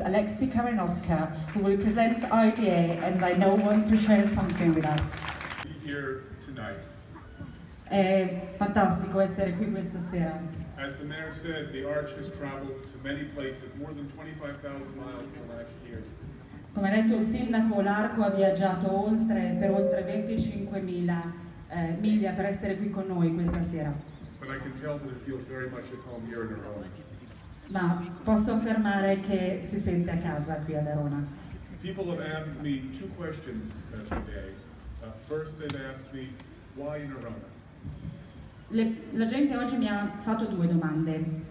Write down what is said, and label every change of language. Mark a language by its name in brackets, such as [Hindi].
[English] Alexi Karinoska, who represent RDA, and I know want to share something with us. Be here tonight. [Italian] È fantastico essere qui questa sera. [English] As the mayor said, the arch has traveled to many places, more than 25,000 miles in the last year. [Italian] Come ha detto il sindaco, l'arco ha viaggiato per oltre 25.000 miglia per essere qui con noi questa sera. [English] But I can tell that it feels very much at home here in Arona. [Italian] Ma posso affermare che si sente a casa qui ad Arona. [English] People have asked me two questions today. First they've asked me, why in Arona? [Italian] La gente oggi mi ha fatto due domande.